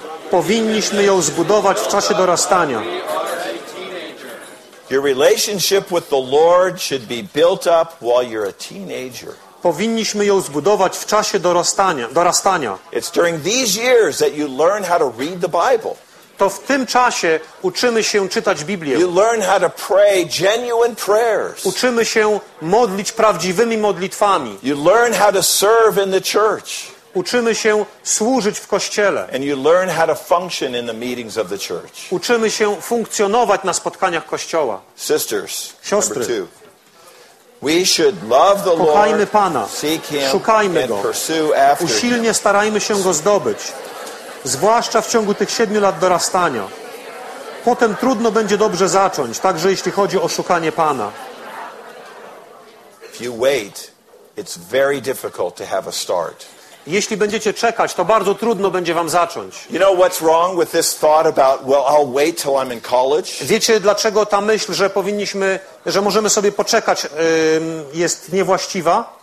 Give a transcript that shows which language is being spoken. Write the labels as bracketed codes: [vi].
[pl] Powinniśmy ją zbudować w czasie dorastania. [en] Your relationship with the Lord should be built up while you're a teenager. [pl] Powinniśmy ją zbudować w czasie dorastania. [en] It's during these years that you learn how to read the Bible. [pl] To w tym czasie uczymy się czytać Biblię. [en] You learn how to pray genuine prayers. [pl] Uczymy się modlić prawdziwymi modlitwami. [en] You learn how to serve in the church. [pl] Uczymy się służyć w kościele. [en] And you learn how to function in the meetings of the church. [pl] Uczymy się funkcjonować na spotkaniach kościoła. [en] Sisters, [pl] siostry. [en] Number two. We should love the Lord. [pl] Kochajmy Pana. [en] Seek him, [pl] szukajmy [en] and [pl] go. [en] Pursue after [pl] Usilnie him. Starajmy się go zdobyć. Zwłaszcza w ciągu tych 7 lat dorastania. Potem trudno będzie dobrze zacząć, także jeśli chodzi o szukanie Pana. [en] If you wait, it's very difficult to have a start. [pl] Jeśli będziecie czekać, to bardzo trudno będzie wam zacząć. [en] You know what's wrong with this thought about, well, I'll wait till I'm in college? [pl] Wiecie, dlaczego ta myśl, że możemy sobie poczekać, jest niewłaściwa?